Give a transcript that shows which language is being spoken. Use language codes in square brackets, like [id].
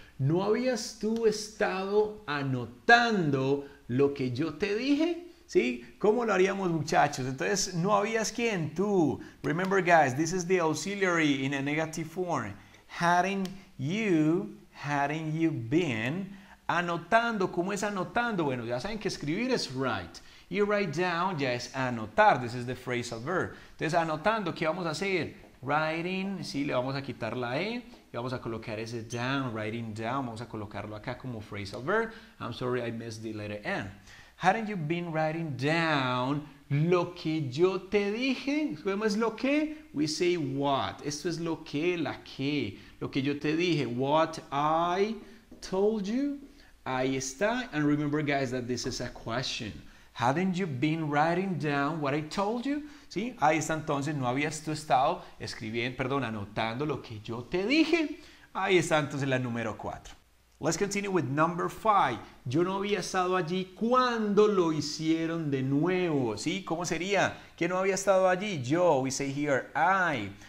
[es] ¿No habías tú estado anotando lo que yo te dije? ¿Sí? ¿Cómo lo haríamos, muchachos? Entonces, ¿no habías quién? Tú. [en] Remember, guys, this is the auxiliary in a negative form. Hadn't you been [es] anotando? ¿Cómo es anotando? Bueno, ya saben que escribir es write. Y write down ya es anotar. [en] This is the phrasal verb. [es] Entonces, anotando, ¿qué vamos a hacer? Writing, sí, le vamos a quitar la E. Y vamos a colocar ese down, writing down. Vamos a colocarlo acá como phrasal verb. [en] I'm sorry, I missed the letter N. Hadn't you been writing down [es] lo que yo te dije? ¿Cómo es lo que? [en] We say what. [es] Esto es lo que, la que. Lo que yo te dije. [en] What I told you. [es] Ahí está. [en] And remember, guys, that this is a question. Hadn't you been writing down what I told you? [es] ¿Sí? Ahí está entonces. ¿No habías tú estado escribiendo, perdón, anotando lo que yo te dije? Ahí está entonces la número 4. [en] Let's continue with number 5. [es] Yo no había estado allí cuando lo hicieron de nuevo. ¿Sí? ¿Cómo sería? ¿Quién no había estado allí? Yo. [en] We say here, I.